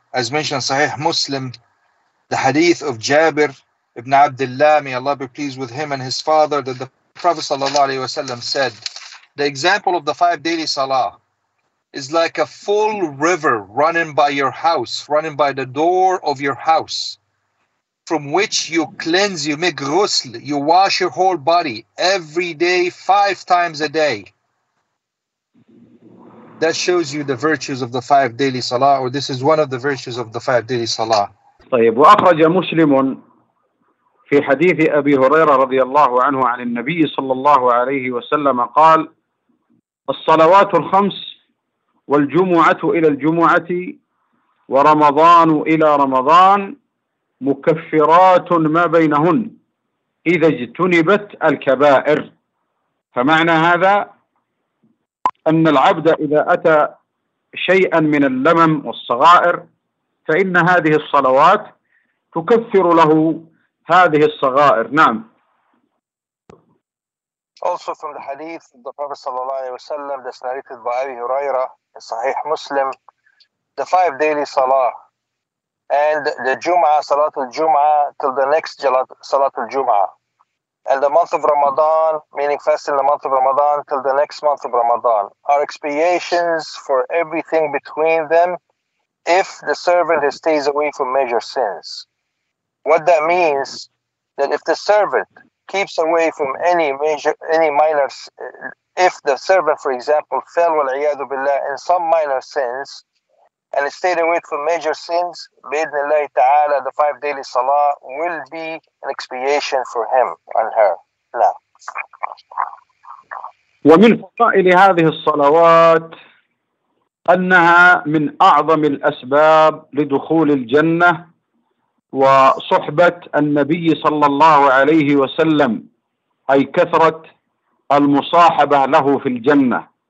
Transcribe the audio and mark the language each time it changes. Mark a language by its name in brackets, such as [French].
[English] As mentioned Sahih Muslim, the hadith of Jabir ibn Abdullah, may Allah be pleased with him and his father, that the Prophet [Arabic] sallallahu alayhi wasallam [English] said, the example of the 5 daily salah is like a full river running by your house, running by the door of your house, from which you cleanse, you make ghusl, you wash your whole body every day, 5 times a day. That shows you the virtues of the 5 daily salah, or this is one of the virtues of the 5 daily salah. [Arabic] طيب وأخرج مسلم في حديث أبي هريرة رضي الله عنه عن النبي صلى الله عليه وسلم قال الصلوات الخمس والجمعة إلى الجمعة ورمضان إلى رمضان مكفرات ما بينهن إذا اجتنبت الكبائر. فمعنى هذا أن العبد إذا أتى شيئا من اللمم والصغائر فإن هذه الصلوات تكفر له هذه الصغائر. نعم. [English] Also from the hadith of the Prophet [Arabic] صلى الله عليه وسلم [English] that's narrated by Abi Huraira in Sahih Muslim, the 5 daily salah and the Jum'ah, Salatul Jum'ah, till the next Salatul Jum'ah. And the month of Ramadan, meaning fasting the month of Ramadan, till the next month of Ramadan, are expiations for everything between them if the servant stays away from major sins. What that means, that if the servant keeps away from any minor, if the servant, for example, fell, [Arabic] wal-iyadu billah, [English] in some minor sins, and stayed away from major sins, [Arabic] bi-idhnillahi ta'ala, [English] the 5 daily salah will be an expiation for him and her. [Arabic] La. ومن فضائل هذه الصلوات أنها من أعظم الأسباب لدخول الجنة وصحبة النبي صلى الله عليه وسلم، أي كثرة المصاحبة له في الجنة.